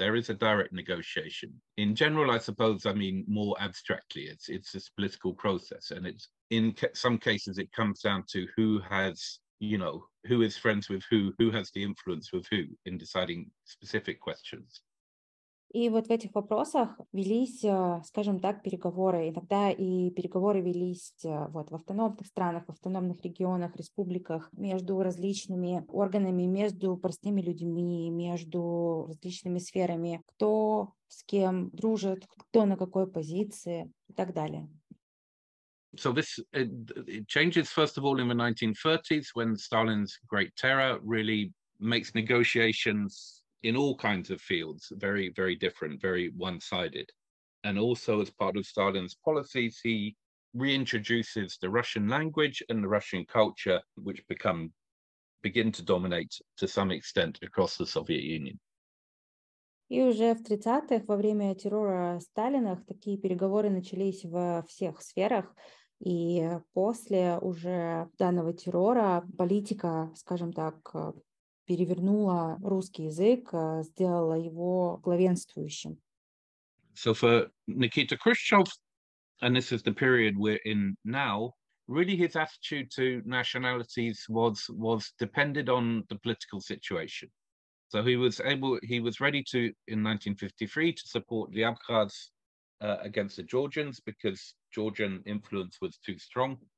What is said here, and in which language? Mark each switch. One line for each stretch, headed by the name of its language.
English: There is a direct negotiation. In general, I suppose, I mean, more abstractly, it's this political process, and it's in some cases it comes down to who has, you know, who is friends with who has the influence with who in deciding specific questions.
Russian: И вот в этих вопросах велись, скажем так, переговоры. Иногда и переговоры велись вот в автономных странах, в автономных регионах, республиках, между различными органами, между простыми людьми, между различными сферами, кто с кем дружит, кто на какой позиции и так далее.
English: So this it changes, first of all, in the 1930s, when Stalin's Great Terror really makes negotiations in all kinds of fields very, very different, very one-sided. And also, as part of Stalin's policies, he reintroduces the Russian language and the Russian culture, which begin to dominate to some extent across the Soviet Union.
Russian: И уже в 30-х, во время террора Сталина, такие переговоры начались во всех сферах. И после уже данного террора политика, скажем так, перевернула русский язык, сделала его главенствующим.
English: So for Nikita Khrushchev, and this is the period we're in now, really his attitude to nationalities was depended on the political situation. So he was ready to, in 1953, to support the Abkhazs against the Georgians, because Georgian influence was too strong.